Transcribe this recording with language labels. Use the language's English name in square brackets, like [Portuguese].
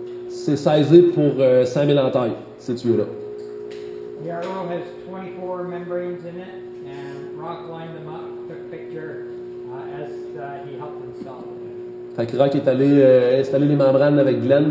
[French] C'est sizé pour 5000 en taille, ces tuyaux-là. [English] The RO has 24 membranes in it, and Rock lined them up, took picture as he helped install them. [French] Fait que Rock est allé installer les membranes avec Glenn.